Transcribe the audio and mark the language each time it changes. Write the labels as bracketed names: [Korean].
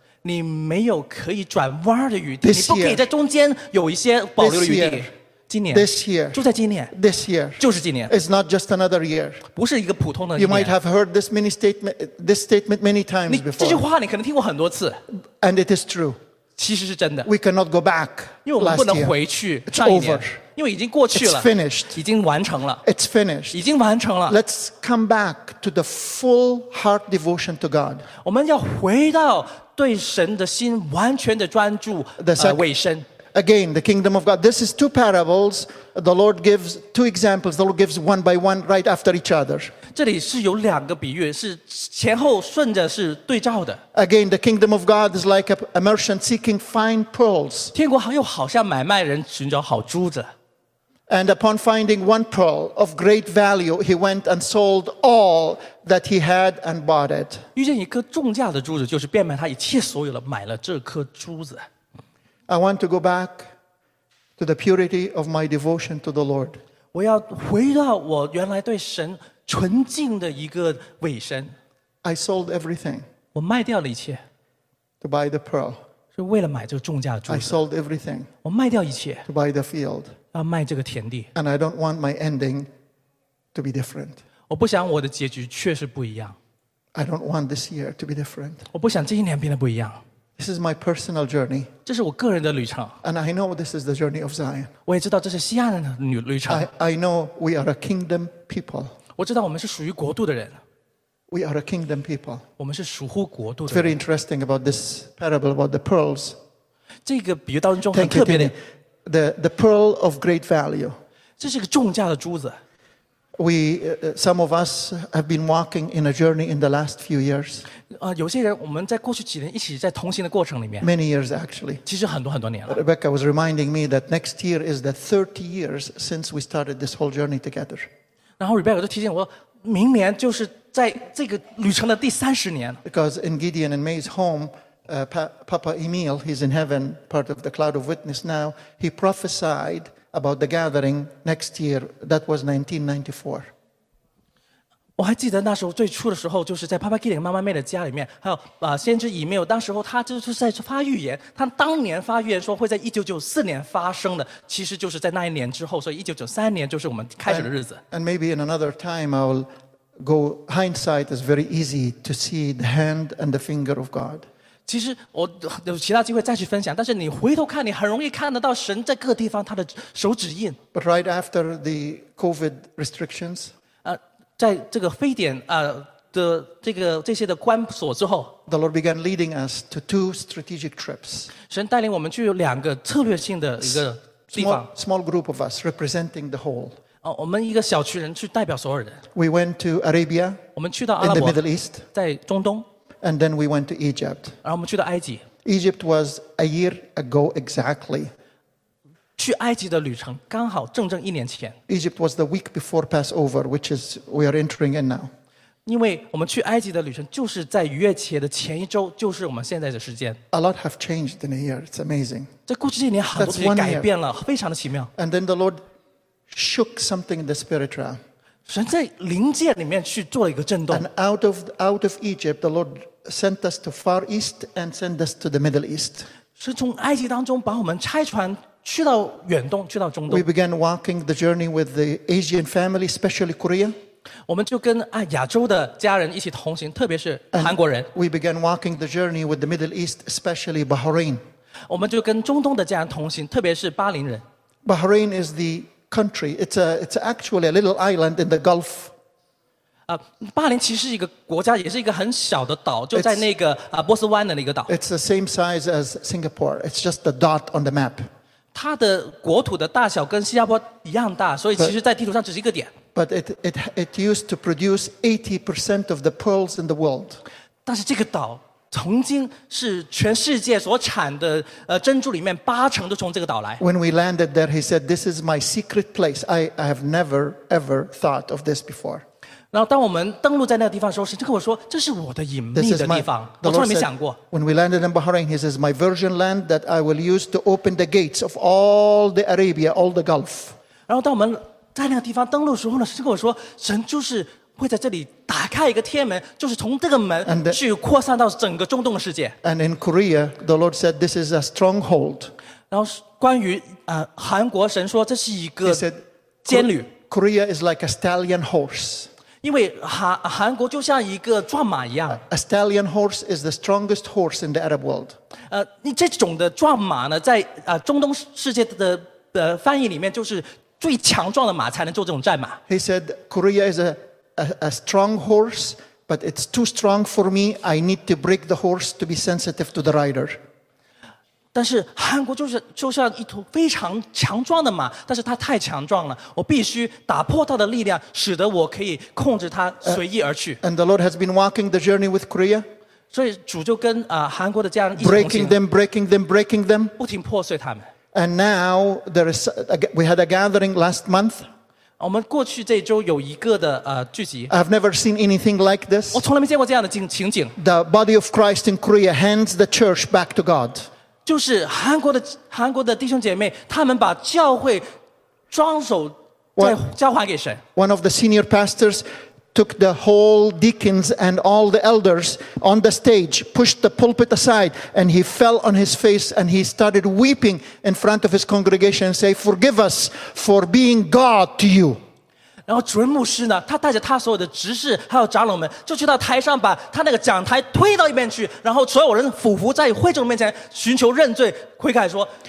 [Chinese] 你没有可以转弯的余地, 你不可以在中间有一些保留余地。今年, [English] this year, [Chinese] 就在今年, [English] this year, [Chinese] 就是今年, [English] it's not just another year. [Chinese] 不是一个普通的一年, [English] you might have heard this mini statement, this statement many times before. [Chinese] 这句话你可能听过很多次, [English] and it is true. [Chinese] 其实是真的, [English] we cannot go back. [Chinese] 因为我们不能回去, [English] it's over. [Chinese] 因为已经过去了, [English] it's finished. [Chinese] 已经完成了, [English] it's finished. [Chinese] 已经完成了, [English] let's come back to the full heart devotion to God. [Chinese] 我们要回到对神的心完全的专注, [English] the second, again, the kingdom of God. This is two parables. The Lord gives two examples. The Lord gives one by one right after each other. [Chinese] 这里是有两个比喻, 是前后顺着是对照的。 [English] Again, the kingdom of God is like a merchant seeking fine pearls. [Chinese] 天国又好像买卖人寻找好珠子。 [English] And upon finding one pearl of great value, he went and sold all that he had and bought it. [Chinese] 遇见一颗重价的珠子, 就是变卖他一切所有了, 买了这颗珠子。 [English] I want to go back to the purity of my devotion to the Lord. [Chinese] 我要回到我原来对神纯净的一个委身。 [English] I sold everything. [Chinese] 我卖掉了一切。 [English] To buy the pearl. [Chinese] 是为了买这个重价的珠子。 [English] I sold everything. [Chinese] 我卖掉一切。 [English] To buy the field. [Chinese] 要卖这个田地。 [English] And I don't want my ending to be different. [Chinese] 我不想我的结局确实不一样。 [English] I don't want this year to be different. [Chinese] 我不想这一年变得不一样。 [English] This is my personal journey. [Chinese] 这是我个人的旅程。 [English] And I know this is the journey of Zion. [Chinese] 我也知道这是锡安的旅程。 [English] I know we are a kingdom people. [Chinese] 我知道我们是属于国度的人。 [English] We are a kingdom people. [Chinese] 我们是属乎国度的人。 [English] It's very interesting about this parable about the pearls. [Chinese] 这个比喻当中很特别的。 [English] The pearl of great value. [Chinese] 这是个重价的珠子。 [English] Some of us have been walking in a journey in the last few years. [Chinese] 有些人我们在过去几年一起在同行的过程里面。 [English] Many years actually. [Chinese] 其实很多很多年了。 [English] Rebecca was reminding me that next year is the 30 years since we started this whole journey together. [Chinese] 然后 Rebecca 就提醒我，明年就是在这个旅程的第三十年。 [English] Because in Gideon and May's home, Papa Emil, he's in heaven, part of the cloud of witness now. He prophesied. About the gathering next year, that was 1994. [Chinese] 我还记得那时候最初的时候，就是在Papa Gideon妈妈妹的家里面，还有先知Emil，当时候他就是在发预言，他当年发预言说会在1994年发生的，其实就是在那一年之后，所以1993年就是我们开始的日子。 [English] And maybe in another time I'll go. Hindsight is very easy to see the hand and the finger of God. [Chinese] 其实我有其他机会再去分享，但是你回头看，你很容易看得到神在各地方他的手指印。 [English] But right after the COVID restrictions, [Chinese] 在这个非典的这个这些的关锁之后 [English] ，The Lord began leading us to two strategic trips. [Chinese] 神带领我们去两个策略性的一个地方。 [English] Small group of us representing the whole. [Chinese] 我们一个小群人去代表所有人。 [English] We went to Arabia. [Chinese] 我们去到阿拉伯。 [English] In the Middle East. [Chinese] 在中东。 [English] And then we went to Egypt. [Chinese] 然后我们去到埃及。 [English] Egypt was a year ago exactly. [Chinese] 去埃及的旅程刚好整整一年前。 [English] Egypt was the week before Passover, which is we are entering in now. [Chinese] 因为我们去埃及的旅程就是在逾越节的前一周，就是我们现在的时间。 [English] A lot have changed in a year. It's amazing. [Chinese] 在过去这一年，很多东西改变了，非常的奇妙。 [English] And then the Lord shook something in the spirit realm. [Chinese] 神在灵界里面去做了一个震动。 [English] And out of Egypt, the Lord sent us to Far East and sent us to the Middle East. [Chinese] 是从埃及当中把我们拆船去到远东，去到中东。 [English] We began walking the journey with the Asian family, especially Korea. [Chinese] 我们就跟亚洲的家人一起同行，特别是韩国人。 [English] We began walking the journey with the Middle East, especially Bahrain. [Chinese] 我们就跟中东的家人同行，特别是巴林人。 [English] Bahrain is the country. It's actually a little island in the Gulf. [Chinese] 巴林其实是一个国家，也是一个很小的岛，就在那个波斯湾的那个岛。 [English] It's the same size as Singapore. It's just the dot on the map. [Chinese] 它的国土的大小跟新加坡一样大，所以其实在地图上只是一个点。 [English] But it used to produce 80% of the pearls in the world. [Chinese] 但是这个岛曾经是全世界所产的珍珠里面八成都从这个岛来。 [English] When we landed there, he said, "This is my secret place. I have never ever thought of this before." [Chinese] 然后当我们登陆在那个地方的时候，神就跟我说，这是我的隐秘的地方，我从来没想过。 [English] When we landed in Bahrain, he says, "My virgin land that I will use to open the gates of all the Arabia, all the Gulf." [Chinese] 然后当我们在那个地方登陆的时候呢，神就跟我说，神就是。会在这里打开一个天门，就是从这个门去扩散到整个中东的世界。 [English] And in Korea, the Lord said this is a stronghold. [Chinese] 然后关于韩国，神说这是一个监旅。 [English] Korea is like a stallion horse. [Chinese] 因为韩国就像一个壮马一样。 [English] A stallion horse is the strongest horse in the Arab world. [Chinese] 这种的壮马呢，在中东世界的翻译里面，就是最强壮的马才能做这种战马。 [English] He said Korea is a strong horse, but it's too strong for me. I need to break the horse to be sensitive to the rider. [Chinese] 但是韩国就像一头非常强壮的马，但是它太强壮了，我必须打破它的力量，使得我可以控制它随意而去。 [English] And the Lord has been walking the journey with Korea. [Chinese] 所以主就跟韩国的家人一起同行。 [English] Breaking them, [Chinese] 不停破碎他们。 [English] And now we had a gathering last month. [Chinese] 我们过去这一周有一个的聚集。 [English] I've never seen anything like this. [Chinese] 我从来没见过这样的情景。 [English] The body of Christ in Korea hands the church back to God. [Chinese] 就是韩国的弟兄姐妹，他们把教会双手再交还给神。 [English] One of the senior pastors took the whole deacons and all the elders on the stage, pushed the pulpit aside, and he fell on his face and he started weeping in front of his congregation and say, "Forgive us for being God to you." [Chinese] 然后主任牧师呢，他带着他所有的执事还有长老们，就去到台上把他那个讲台推到一边去，然后所有人俯伏在会众面前寻求认罪，悔改说。